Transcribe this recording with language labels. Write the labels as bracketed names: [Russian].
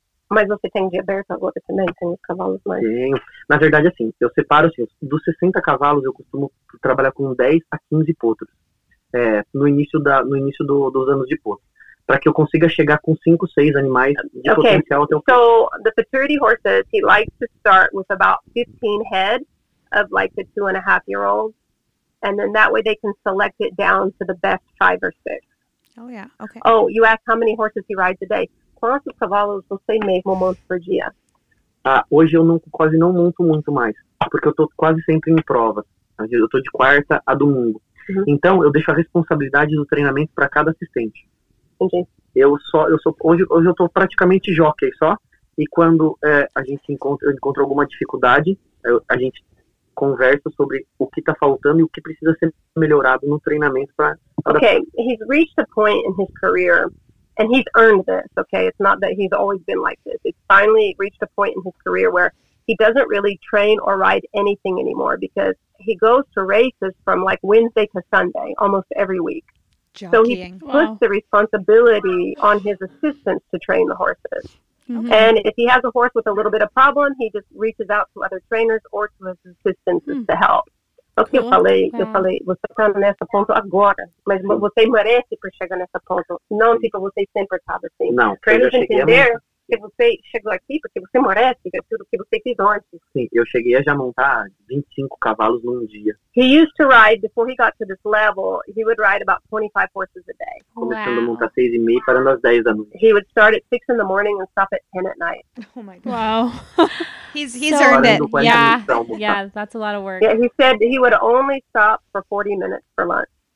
[Portuguese] Mas você tem de aberto agora também, tem os cavalos mais? Tenho. Na verdade, assim, eu separo, assim, dos 60 cavalos, eu costumo trabalhar com 10 a 15 potros. É, no início dos anos de potro. Para que eu consiga chegar com 5, 6 animais de potencial até o fim. [English] Okay, so the futurity horses, he likes to start with about 15 head of like the 2.5-year-old. And then that way they can select it down to the best 5 or 6. Oh, yeah, okay. Oh, you asked how many horses he rides a day. [Portuguese] Quantos cavalos você mesmo monta por dia? Ah, hoje eu quase não monto muito mais, porque eu tô quase sempre em prova. Eu tô de quarta a domingo. Uhum. Então, eu deixo a responsabilidade do treinamento para cada assistente. Entendi. Hoje eu tô praticamente jockey só, e quando eu encontro alguma dificuldade, a gente conversa sobre o que tá faltando e o que precisa ser melhorado no treinamento para. [English] Ok, he's reached a point in his career. And he's earned this, okay? It's not that he's always been like this. It's finally reached a point in his career where he doesn't really train or ride anything anymore because he goes to races from, like, Wednesday to Sunday almost every week. Jockeying. So he puts the responsibility on his assistants to train the horses. Mm-hmm. And if he has a horse with a little bit of problem, he just reaches out to other trainers or to his assistants to help. Okay, cool. [Portuguese] Eu falei, você está nesse ponto agora, mas você merece para chegar nesse ponto. Não, tipo, você sempre estava assim. Não, pra eu já cheguei entender que você chegou aqui porque você merece, que é tudo que você fez antes. Sim, eu cheguei a já montar 25 cavalos num dia. [English] He used to ride, before he got to this level, he would ride about 25 horses a day. [Portuguese] Wow. Começando a montar 6:30, parando às 10 da noite. [English] He would start at 6 in the morning and stop at 10 at night. Oh my God. Wow. He's earned it. Yeah, that's a lot of work. Yeah, he said he would only stop for 40 minutes for lunch.